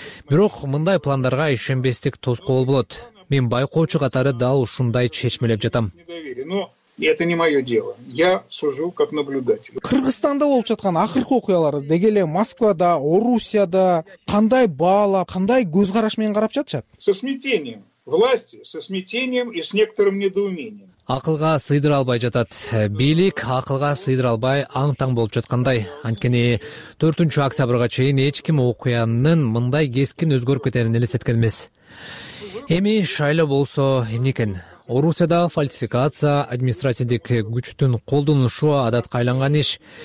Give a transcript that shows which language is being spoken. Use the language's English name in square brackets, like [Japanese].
[Kyrgyz] Бирок мындай пландарга ишенбестик тоскоол болот. Мен байкоочу катары дал ушундай чечмелеп жатам. [Russian] Это не мое дело. Я сужу как наблюдатель. [Kyrgyz] Кыргызстанда болуп жаткан акыркы окуялар деги эле Москвада, Орусияда кандай баалап, кандай көз караш менен карап жатышат? [Russian] Со смятением. Власти со смятением и с некоторым недоумением. [Kyrgyz] Акылга сыйдыра албай жатат. Бийлик акылга сыйдыра албай аң-таң болуп жаткандай. Анткени 4 октябрга чейин эч ким окуянын мындай кескин өзгөрүп кетерин элестеткен эмес. Эми шайлоо болсо эмне экен? Орусияда фальсификация, административдик күчтүн колдонушу адатка айланган иш.